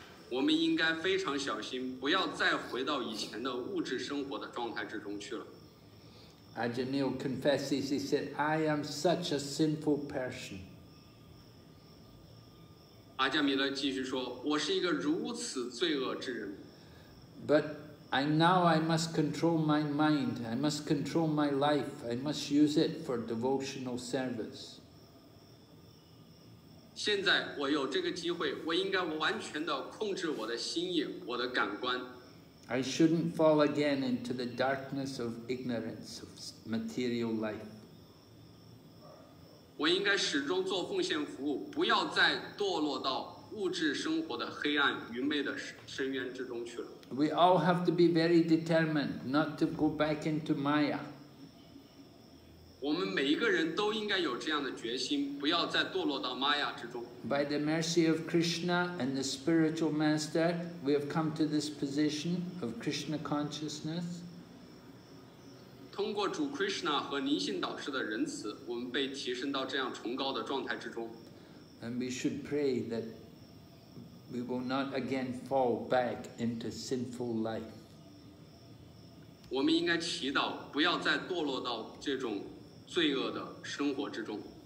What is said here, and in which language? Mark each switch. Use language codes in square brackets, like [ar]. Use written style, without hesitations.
[zh] 我们应该非常小心，不要再回到以前的物质生活的状态之中去了。 [en] Ajaneel confesses, he said, I am such a sinful person. [zh] Ajamila 继续说，我是一个如此罪恶之人。 [en] But I must control my mind, I must control my life, I must use it for devotional service. [zh] 现在我有这个机会，我应该完全地控制我的心意，我的感官。 [en] I shouldn't fall again into the darkness of ignorance of material life. [zh] 我应该始终做奉献服务，不要再堕落到物质生活的黑暗愚昧的深渊之中去了。 [en] We all have to be very determined not to go back into Maya. [zh] 我们每一个人都应该有这样的决心，不要再堕落到 Maya 之中。 [en] By the mercy of Krishna and the spiritual master, we have come to this position of Krishna consciousness. [zh] 通过主 Krishna 和宁信导师的仁慈，我们被提升到这样崇高的状态之中。 [en] And we should pray that we will not again fall back into sinful life. [zh] 我们应该祈祷不要再堕落到这种罪恶的生活之中。